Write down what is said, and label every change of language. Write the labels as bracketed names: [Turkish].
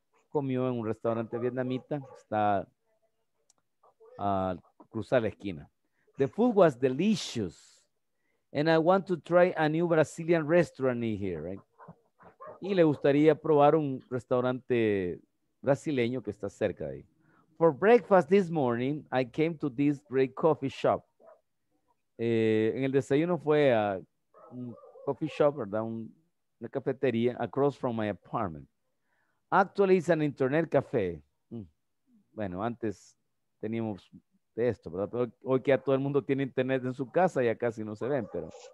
[Spanish] Comió en un restaurante vietnamita. Está cruzar la esquina. [English] The food was delicious. And I want to try a new Brazilian restaurant in here, right? [Spanish] Y le gustaría probar un restaurante brasileño que está cerca de ahí. [English] For breakfast this morning, I came to this great coffee shop. [Spanish] En el desayuno fue a un coffee shop, ¿verdad? Una cafetería [English] across from my apartment. Actually, it's an internet cafe. [Spanish] Bueno, antes teníamos de esto, ¿verdad? Pero hoy que ya todo el mundo tiene internet en su casa, ya casi no se ven, pero.